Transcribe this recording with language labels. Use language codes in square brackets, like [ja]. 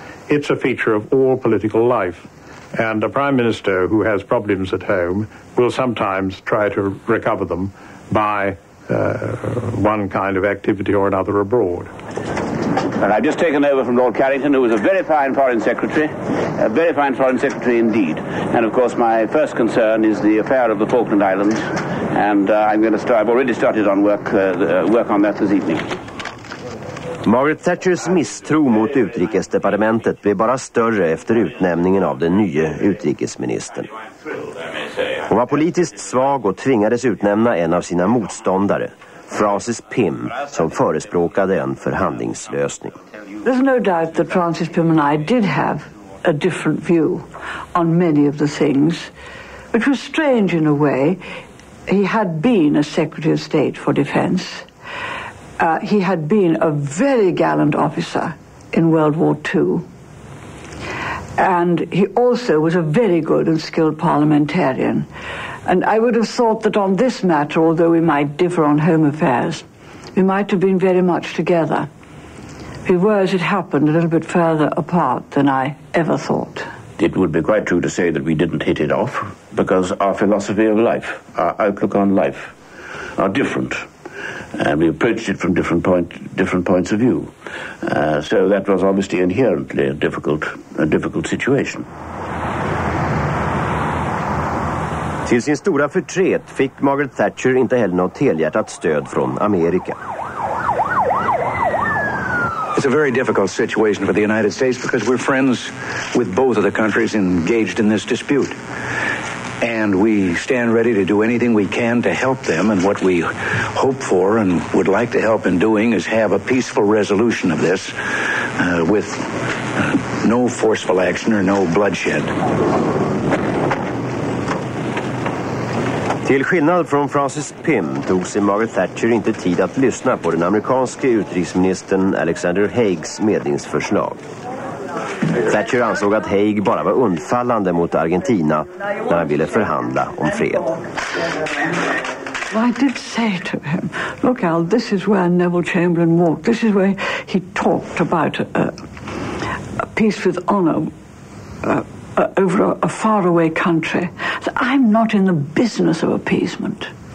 [en] It's a feature of all political life, and a prime minister who has problems at home will sometimes try to recover them by one kind of activity or another abroad. Well, I've just taken over from Lord Carrington, who was a very fine foreign secretary, a very fine foreign secretary indeed. And of course, my first concern is the affair of the Falkland Islands, and I've already started work on that this evening. [sv] Margaret Thatchers misstro mot utrikesdepartementet blev bara större efter utnämningen av den nya utrikesministern. Hon var politiskt svag och tvingades utnämna en av sina motståndare, Francis Pym, som förespråkade en förhandlingslösning. [en] There's no doubt that Francis Pym and I did have a different view on many of the things, which was strange in a way. He had been a Secretary of State for Defense. He had been a very gallant officer in World War II. And he also was a very good and skilled parliamentarian. And I would have thought that on this matter, although we might differ on home affairs, we might have been very much together. We were, as it happened, a little bit further apart than I ever thought. It would be quite true to say that we didn't hit it off, because our philosophy of life, our outlook on life, are different. And we approached it from different points of view. So that was obviously inherently a difficult situation. [sv] Till sin stora förtret fick Margaret Thatcher inte heller något helhjärtat stöd från Amerika. [en] It's a very difficult situation for the United States because we're friends with both of the countries engaged in this dispute. And we stand ready to do anything we can to help them, and what we hope for and would like to help in doing is have a peaceful resolution of this with no forceful action or no bloodshed. [sv] Till skillnad från Francis Pym tog sig Margaret Thatcher inte tid att lyssna på den amerikanske utrikesministern Alexander Haigs medlingsförslag. Thatcher ansåg att Haig bara var undfallande mot Argentina när han ville förhandla om fred. [en] I did say to him, look Al, this is where Neville Chamberlain walked. This is where he talked about a peace with honor over a faraway country. So I'm not in the business of appeasement.